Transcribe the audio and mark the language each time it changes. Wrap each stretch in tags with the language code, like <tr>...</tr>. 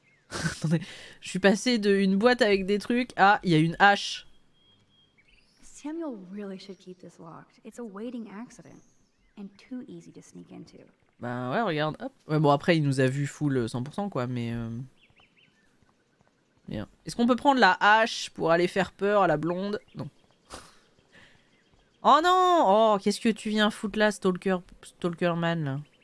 <fr>Attendez, je suis passée d'une boîte avec des trucs à il y a une hache.</fr> <en>Samuel really should keep this locked. It's a waiting accident and too easy to sneak into.</en> <fr>Ben ouais, regarde, hop. Ouais, bon après il nous a vu full 100% quoi, mais bien. Est-ce qu'on peut prendre la hache pour aller faire peur à la blonde? Non. Oh non! Oh, qu'est-ce que tu viens foutre là, Stalkerman, là?</fr>